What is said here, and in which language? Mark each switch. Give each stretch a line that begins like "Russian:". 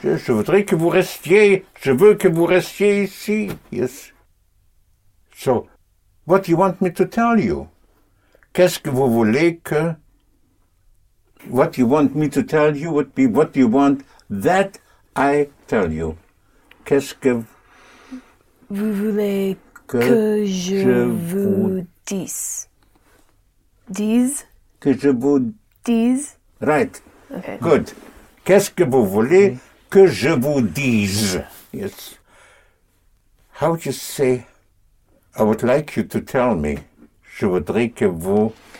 French: Je voudrais que vous restiez. Je veux que vous restiez ici.
English: Yes. So, what do you want me to tell you?
French: Qu'est-ce que vous voulez que...
English: What you want me to tell you would be, what do you want that I tell you?
French: Qu'est-ce que... Vous voulez que je vous dise. Dise? Que je vous... Dise?
English: Right. Okay. Good.
French: Qu'est-ce que vous voulez que je vous dise?
English: Yes. How would you say, I would like you to tell me,
French: je voudrais que vous...